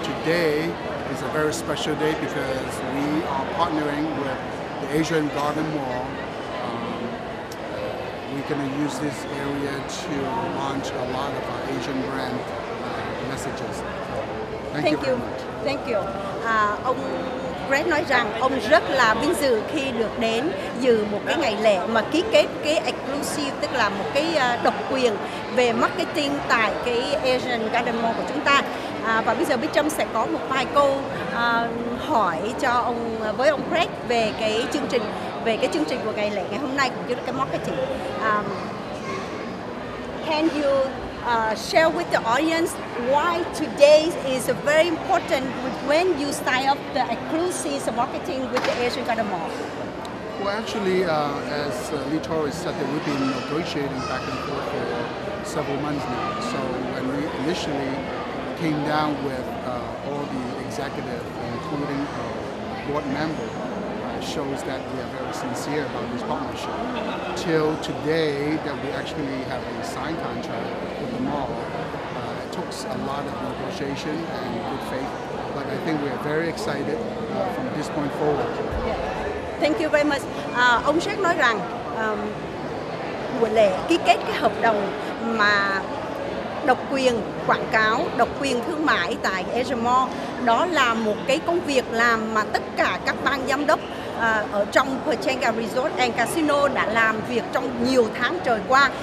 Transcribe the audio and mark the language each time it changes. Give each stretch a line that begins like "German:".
English: Today is a very special day because we are partnering with the Asian Garden Mall. We're going to use this area to launch a lot of our Asian brand messages. So thank you very much. Thank you.
Vietnamese: Ông Greg nói rằng ông rất là vinh dự khi được đến dự một cái ngày lễ mà ký kết cái exclusive, tức là một cái độc quyền về marketing tại cái Asian Garden Mall của chúng ta. Và bây giờ Bích Trâm sẽ có một vài câu hỏi cho ông, với ông Greg về cái chương trình, về cái chương trình của ngày lễ ngày hôm nay cũng như cái marketing.
English: Can you share with the audience why today is very important when you sign up the exclusive marketing with the Asian Garden Mall? Well, actually, as Lee Torres said, that we've been negotiating back and forth for several months now. So when we initially came down with all the executive, including board member, shows that we are very sincere about this partnership. Till today that we actually have a signed contract with the mall, it took a lot of negotiation and good faith, but I think we are very excited from this point forward. Yeah. Thank you very much.
Vietnamese: Ông Jack nói rằng buổi lễ ký kết cái hợp đồng mà độc quyền quảng cáo, độc quyền thương mại tại Asia Mall, đó là một cái công việc làm mà tất cả các ban giám đốc ở trong Hotenga Resort and Casino đã làm việc trong nhiều tháng trời qua.